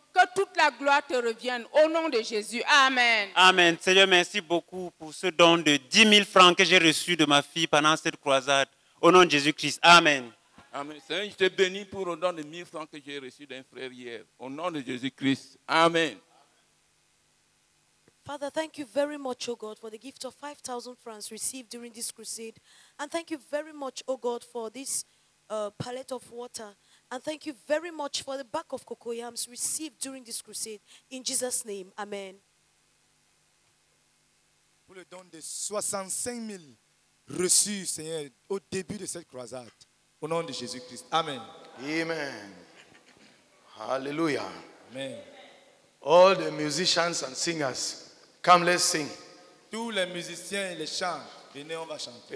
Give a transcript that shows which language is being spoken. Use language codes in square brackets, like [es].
[fr] Que toute la gloire te revienne. Au nom de Jésus. Amen. Amen. Seigneur, merci beaucoup pour ce don de 10 000 francs que j'ai reçu de ma fille pendant cette croisade. Au nom de Jésus-Christ. Amen. Amen. Seigneur, je te bénis pour le don de 1 000 francs que j'ai reçu d'un frère hier. Au nom de Jésus-Christ. Amen. [en] Father, thank you very much, O God, for the gift of 5,000 francs received during this crusade. And thank you very much, O God, for this pallet of water. And thank you very much for the bag of cocoyams received during this crusade. In Jesus' name, amen. [fr] Pour le don de 65 000 reçus, Seigneur, au début de cette croisade, au nom de Jésus-Christ, amen. Amen. Hallelujah. Amen. [en] All the musicians and singers, come, let's sing. [fr] Tous les musiciens et les chants, venez, on va chanter.